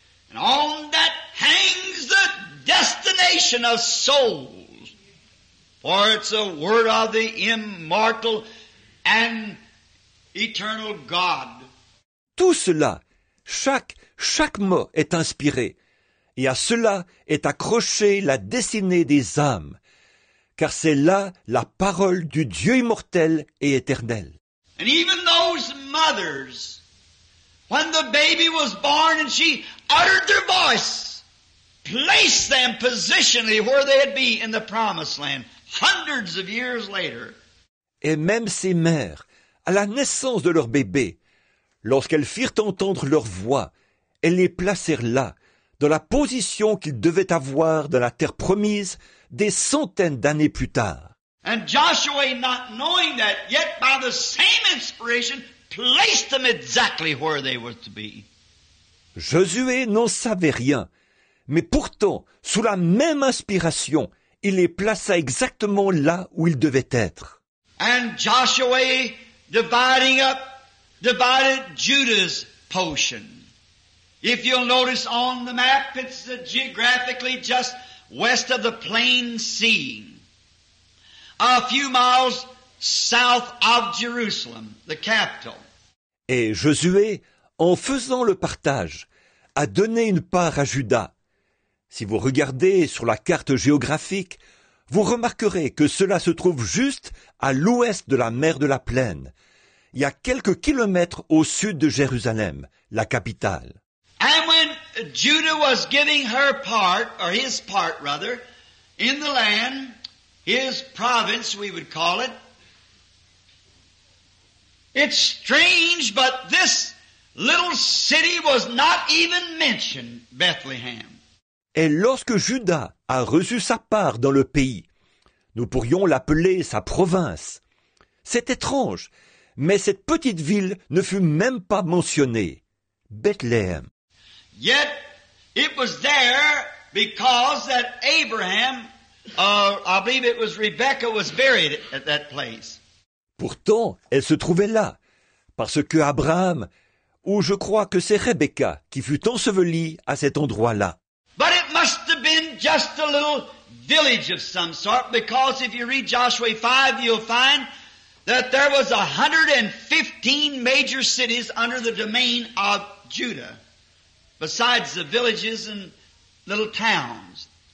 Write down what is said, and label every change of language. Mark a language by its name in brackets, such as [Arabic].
[English] And on that hangs the destination of souls. For it's a word of the immortal and eternal God. [French] Tout cela, chaque mot est inspiré, et à cela est accrochée la destinée des âmes, car c'est là la parole du Dieu immortel et éternel. [English] And even those mothers, when the baby was born and she uttered their voice, placed them positionally where they'd be in the promised land, hundreds of years later. [French] Et même ces mères, à la naissance de leur bébé, lorsqu'elles firent entendre leur voix, elles les placèrent là, dans la position qu'ils devaient avoir dans la terre promise des centaines d'années plus tard. [English] And Joshua, not knowing that, yet by the same inspiration, placed them exactly where they were to be. [French] Josué n'en savait rien, mais pourtant, sous la même inspiration, il les plaça exactement là où ils devaient être. [English] And Joshua divided Judah's portion. If you'll notice on the map, it's geographically just west of the Plain Sea, a few miles south of Jerusalem, the capital. [French] Et Josué, en faisant le partage, a donné une part à Juda. Si vous regardez sur la carte géographique, vous remarquerez que cela se trouve juste à l'ouest de la mer de la plaine, il y a quelques kilomètres au sud de Jérusalem, la capitale. [English] And when Judah was giving her part, or his part rather, in the land, his province, we would call it, it's strange, but this little city was not even mentioned, Bethlehem. [French] Et lorsque Judas a reçu sa part dans le pays, nous pourrions l'appeler sa province. C'est étrange, mais cette petite ville ne fut même pas mentionnée, Bethléem. [English] Yet, it was there because that Abraham, I believe it was Rebecca, was buried at that place. [French] Pourtant, elle se trouvait là, parce que Abraham, ou je crois que c'est Rebecca qui fut ensevelie à cet endroit-là. [English] But it must have been just a little village of some sort, because if you read Joshua 5, you'll find that there was 115 major cities under the domain of Judah, besides the villages and little towns.